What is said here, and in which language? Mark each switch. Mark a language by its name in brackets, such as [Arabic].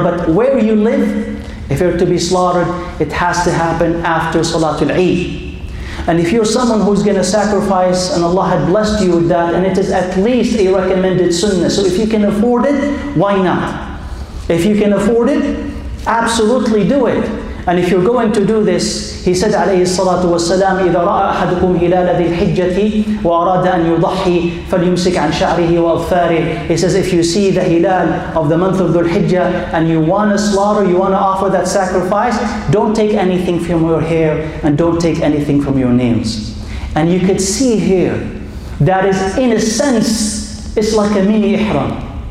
[English] But where you live, if you're to be slaughtered, it has to happen after Salatul Eid. And if you're someone who's going to sacrifice, and Allah had blessed you with that, and it is at least a recommended sunnah, so if you can afford it, why not? If you can afford it, absolutely do it. And if you're going to do this, he said [Arabic] عليه الصلاة والسلام إذا رأى أحدكم هلال ذي الحجة وأراد أن يضحي فليمسك عن شعره وأظفاره. [English] He says, if you see the hilal of the month of Dhul Hijjah and you want to slaughter, you want to offer that sacrifice, don't take anything from your hair and don't take anything from your nails. And you could see here, that is, in a sense, it's like a mini ihram.